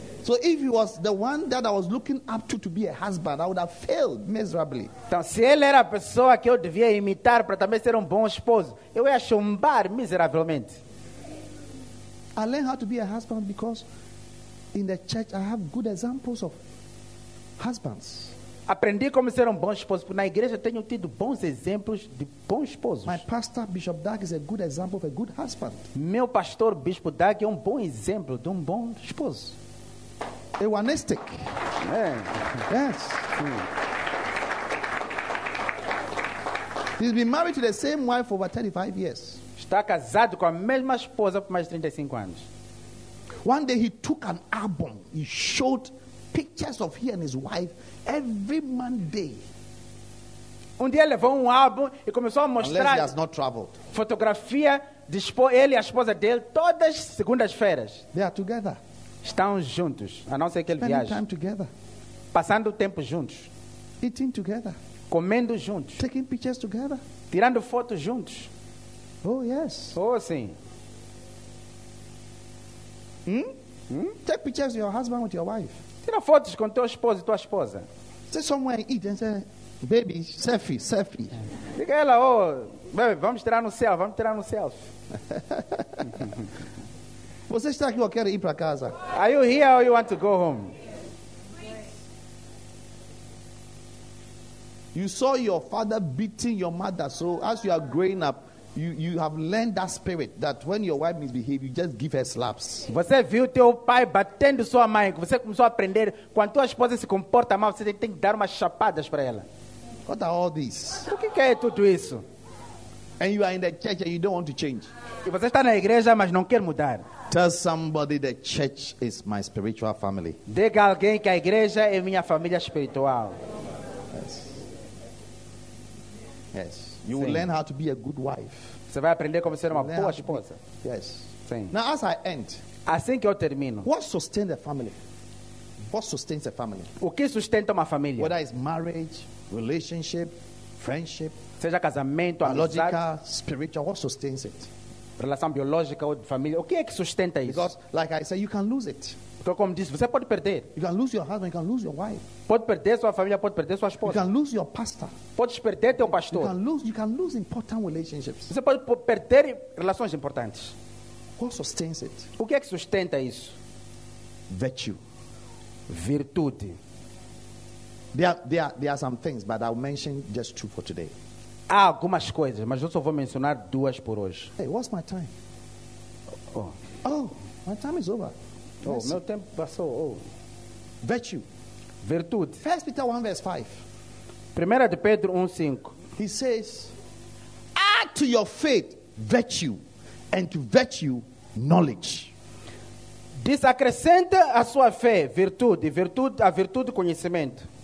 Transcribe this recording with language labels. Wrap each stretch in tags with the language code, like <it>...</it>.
<en>So if he was the one that I was looking up to be a husband, I would have failed miserably.</en> <pt>Então, se ele era a pessoa que eu devia imitar para também ser bom esposo, eu ia chumbar miseravelmente.</pt> <en>I learned how to be a husband because in the church I have good examples of husbands.</en> <pt>Aprendi como ser bom esposo, porque na igreja tenho tido bons exemplos de bons esposos.</pt> <en>My pastor, Bishop Doug, is a good example of a good husband.</en> <pt>Meu pastor, Bispo Doug, é bom exemplo de bom esposo. Ewanistic. É.</pt> <en>Yes. He's been married to the same wife for over 35 years.</en> <pt>Está casado com a mesma esposa por mais de 35 anos.</pt> <en>One day he took an album, he showed pictures of he and his wife every Monday.</en> <pt>Dia levou álbum e começou a mostrar.</pt> <en>Unless he has not traveled.</en> <pt>Fotografia de ele e a esposa dele todas as segundas-feiras.</pt> <en>They are together.</en> <pt>Estão juntos, a não ser que ele</pt> <en>spending</en> <pt>viaje.</pt> <en>Time together.</en> <pt>Passando tempo juntos.</pt> <en>Eating together.</en> <pt>Comendo juntos.</pt> <en>Taking pictures together.</en> <pt>Tirando fotos juntos.</pt> <en>Oh yes.</en> <pt>Oh sim.</pt> <en>Take pictures of your husband with your wife.</en> <pt>Tira fotos com teu esposo e tua esposa.</pt> <en>Sit somewhere and eat and say, baby, selfie.</en> <pt>Diga ela, oh, baby, vamos tirar no self. Você está aqui ou quer ir para casa?</pt> <en>Are you here or you want to go home? You saw your father beating your mother, so as you are growing up, you have learned that spirit that when your wife misbehaves, you just give her slaps.</en> <pt>Você viu teu pai batendo sua mãe, você começou a aprender quando tua esposa se comporta mal, você tem que dar umas chapadas para ela.</pt> <en>What are all these?</en> <pt>O que é tudo isso?</pt> <en>And you are in the church and you don't want to change.</en> <pt>E você está na igreja, mas não quer mudar.</pt> <en>Tell somebody the church is my spiritual family.</en> <pt>Diga a alguém que a igreja é minha família espiritual.</pt> <en>Yes. Yes. You will learn how to be a good wife.</en> <pt>Você vai aprender como ser uma boa esposa.</pt> <en>Yes.</en> <pt>Sim.</pt> <en>Now as I end.</en> <pt>Assim que eu termino.</pt> <en>What sustains the family? What sustains a family?</en> <pt>O que sustenta uma família?</pt> <en>Whether it's marriage, relationship, friendship.</en> <pt>Seja casamento,</pt> <en>biological,</en> <pt>amizade,</pt> <en>spiritual, what sustains it?</en> <pt>Relação biológica ou de família. O que é que sustenta isso?</pt> <en>Because, like I said, you can lose it.</en> <pt>Então, como disse, você pode perder.</pt> <en>You can lose your husband, you can lose your wife.</en> <pt>Pode perder sua família, pode perder sua esposa.</pt> <en>You can lose your pastor.</en> <pt>Pode perder teu pastor.</pt> <en>You can lose important relationships.</en> <pt>Você pode perder relações importantes.</pt> <en>What sustains it?</en> <pt>O que é que sustenta isso?</pt> <en>Virtue.</en> <pt>Virtude.</pt> <en>There are some things, but I'll mention just two for today.</en> <pt>Há algumas coisas, mas eu só vou mencionar duas por hoje.</pt> <en>Hey, what's my time? Oh, my time is over. Oh, yes.</en> <pt>Meu tempo passou. Oh.</pt> <en>Virtue.</en> <pt>Virtude.</pt> <en>1 Peter 1, verse 5.</en> <pt>1 de Pedro 1, 5.</pt> <en>He says, add to your faith virtue, and to virtue knowledge.</en> <pt>Diz, acrescenta a sua fé, virtude, virtude, a virtude, conhecimento.</pt>